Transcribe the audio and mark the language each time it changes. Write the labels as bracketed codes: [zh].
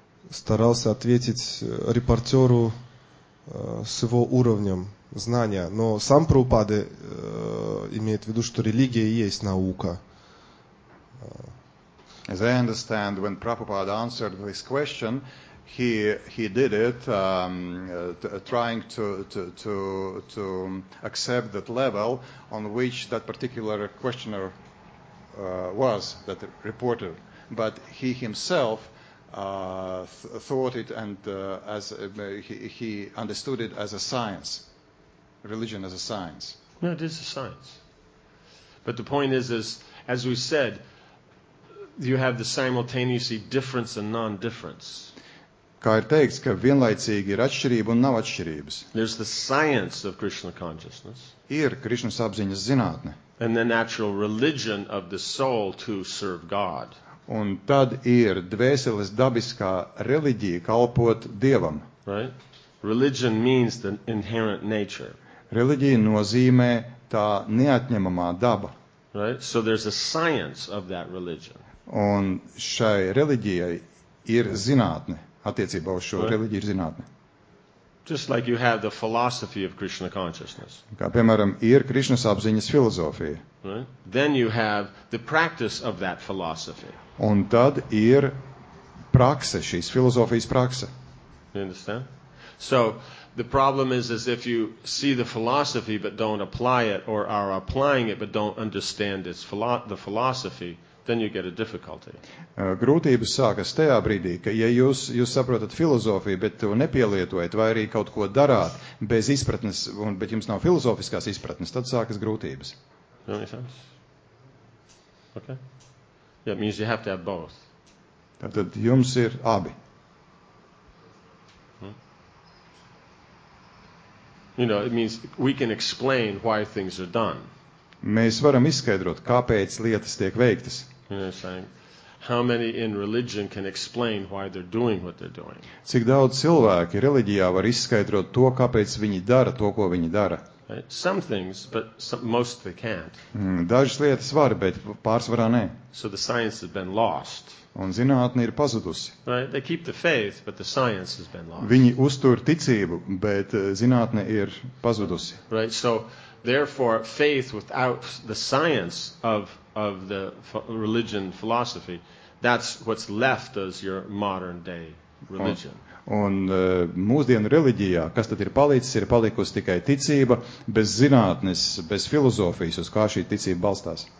[ru] старался ответить репортеру с его уровнем знания. Но сам Прабхупада имеет в виду, что религия и есть наука. [en] As I understand, when Prabhupada answered this question, he did it trying to accept that level on which that particular questioner was, that reporter. But he himself thought it and as he understood it as a science, religion as a science. No, it is a science. But the point is, as we said, you have the simultaneously difference and non-difference. [lv] Kā ir teikts, ka vienlaicīgi ir atšķirība un nav atšķirības. [en] There's the science of Krishna consciousness. [lv] Ir Krišnas apziņas zinātne. [en] And the natural religion of the soul to serve God. [lv] Un tad ir dvēseles dabiskā reliģija kalpot Dievam. [en] Right? Religion means the inherent nature. [lv] Reliģija nozīmē tā neatņemamā daba. [en] Right? So there's a science of that religion. [lv] Un šai reliģijai ir zinātne. Attiecībā uz šo [en] right? [lv] reliģiju ir zinātne. [en] Just like you have the philosophy of Krishna consciousness. [lv] Kā, piemēram, ir Krišnas apziņas filozofija. [en] Right? Then you have the practice of that philosophy. [lv] Un tad ir prakse, šīs filozofijas prakse. [en] You understand? So, the problem is if you see the philosophy but don't apply it or are applying it but don't understand its the philosophy, then you get a difficulty. [lv] Grūtības sākas tajā brīdī, ka ja jūs saprotat filozofiju, bet to nepielietojat vai arī kaut ko darāt bez izpratnes, un, bet jums nav filozofiskās izpratnes, tad sākas grūtības. [en] You understand? Okay. Yeah, it means you have to have both. [lv] Tātad jums ir abi. [en] You know, it means we can explain why things are done. [lv] Mēs varam izskaidrot, kāpēc lietas tiek veiktas. [en] You know what I'm saying? How many in religion can explain why they're doing what they're doing? [lv] Cik daudz cilvēki reliģijā var izskaidrot to, kāpēc viņi dara to, ko viņi dara? [en] Some things, but most they can't. [lv] Dažas lietas var, bet pārsvarā nē. [en] So the science has been lost. [lv] Un zinātne ir pazudusi. [en] Right? They keep the faith, but the science has been lost. [lv] Viņi uztur ticību, bet zinātne ir pazudusi. [en] Right? So therefore, faith without the science of the religion philosophy, that's what's left as your modern day religion. [lv] Un mūsdienu reliģijā, kas tad ir palikusi tikai ticība, bez zinātnes, bez filozofijas, uz kā šī ticība balstās.